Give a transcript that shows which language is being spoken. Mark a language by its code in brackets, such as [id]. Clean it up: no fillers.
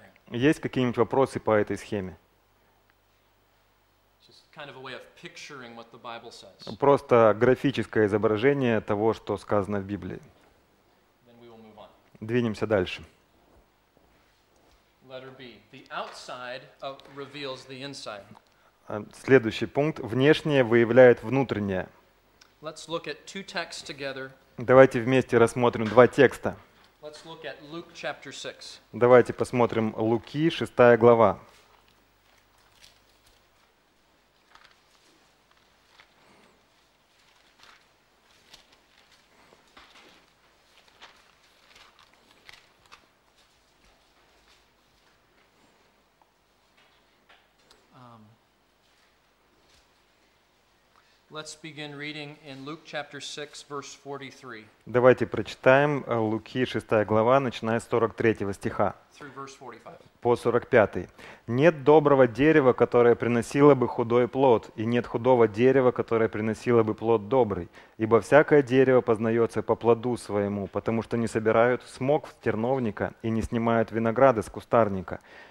[ru] Есть какие-нибудь вопросы по этой схеме? [en] Kind of a way of picturing what the Bible says. [ru] Просто графическое изображение того, что сказано в Библии. [en] Then we will move on. [ru] Двинемся дальше. [en] Letter B. The outside reveals the inside. [ru] Следующий пункт. Внешнее выявляет внутреннее. [en] Let's look at two texts together. [ru] Давайте вместе рассмотрим два текста. [en] Let's look at Luke chapter 6. [ru] Давайте посмотрим Луки, 6 глава. [en] Let's begin reading in Luke chapter 6, verse 43. [ru] Давайте прочитаем Луки 6 глава, начиная с 43 стиха. [en] Through verse 45. [ru] По 45. Нет доброго дерева, которое приносило бы худой плод, и нет худого дерева, которое приносило бы плод добрый. Ибо всякое дерево познается по плоду своему, потому что не собирают смоков с терновника и не снимают винограда с кустарника.